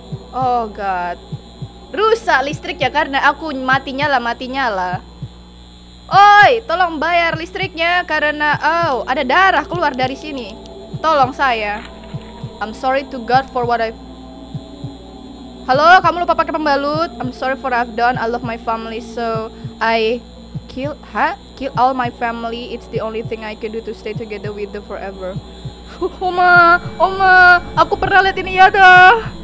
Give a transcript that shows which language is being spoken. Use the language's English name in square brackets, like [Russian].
[English] Oh god. [Indonesian] Rusak listrik ya karena aku mati nyala. Oi, tolong bayar listriknya karena, oh ada darah keluar dari sini. Tolong saya. [English] I'm sorry to God for what I've... [Indonesian] Halo, kamu lupa pakai pembalut? [English] I'm sorry for what I've done. I love my family, so I kill, kill all my family. It's the only thing I can do to stay together with them forever. [Indonesian] Oma, aku pernah lihat ini ya dah.